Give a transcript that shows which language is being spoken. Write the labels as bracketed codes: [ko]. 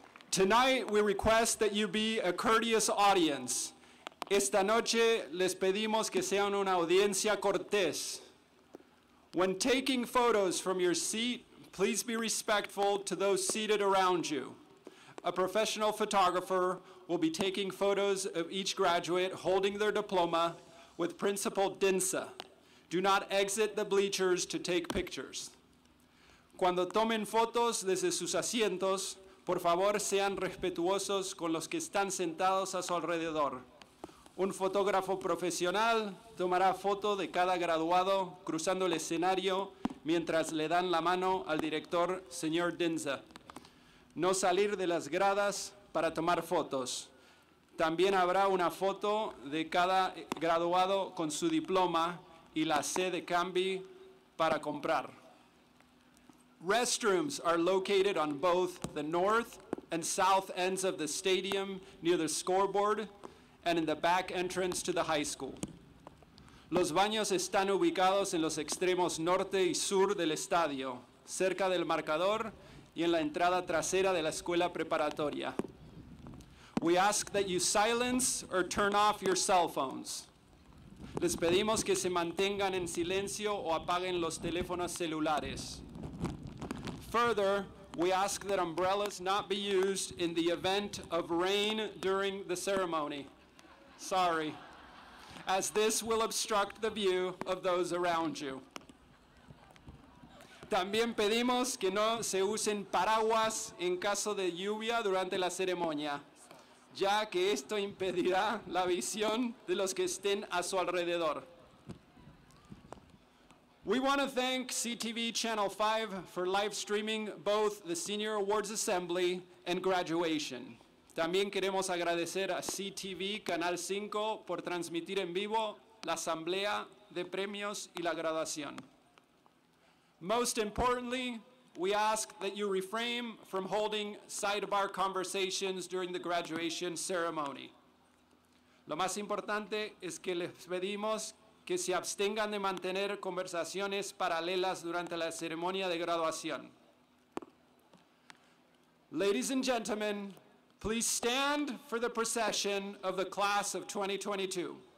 [en] Tonight, we request that you be a courteous audience. [es] Esta noche, les pedimos que sean una audiencia cortés. [en] When taking photos from your seat, please be respectful to those seated around you. A professional photographer will be taking photos of each graduate holding their diploma with Principal Dinsa. Do not exit the bleachers to take pictures. [es] Cuando tomen fotos desde sus asientos, por favor, sean respetuosos con los que están sentados a su alrededor. Un fotógrafo profesional tomará foto de cada graduado cruzando el escenario mientras le dan la mano al director, señor Dinsa. No salir de las gradas para tomar fotos. También habrá una foto de cada graduado con su diploma y la sede de Canby para comprar. [en] Restrooms are located on both the north and south ends of the stadium near the scoreboard and in the back entrance to the high school. [es] Los baños están ubicados en los extremos norte y sur del estadio, cerca del marcador y en la entrada trasera de la escuela preparatoria. [en] We ask that you silence or turn off your cell phones. [es] Les pedimos que se mantengan en silencio o apaguen los teléfonos celulares. [en] Further, we ask that umbrellas not be used in the event of rain during the ceremony. Sorry. As this will obstruct the view of those around you. [es] También pedimos que no se usen paraguas en caso de lluvia durante la ceremonia, ya que esto impedirá la visión de los que estén a su alrededor. [en] We want to thank CTV Channel 5 for live streaming both the Senior Awards Assembly and graduation. [es] También queremos agradecer a CTV Canal 5 por transmitir en vivo la Asamblea de Premios y la graduación. [en] Most importantly, we ask that you refrain from holding sidebar conversations during the graduation ceremony. [es] Lo más importante es que les pedimos que se abstengan de mantener conversaciones paralelas durante la ceremonia de graduación. [en] Ladies and gentlemen, please stand for the procession of the class of 2022.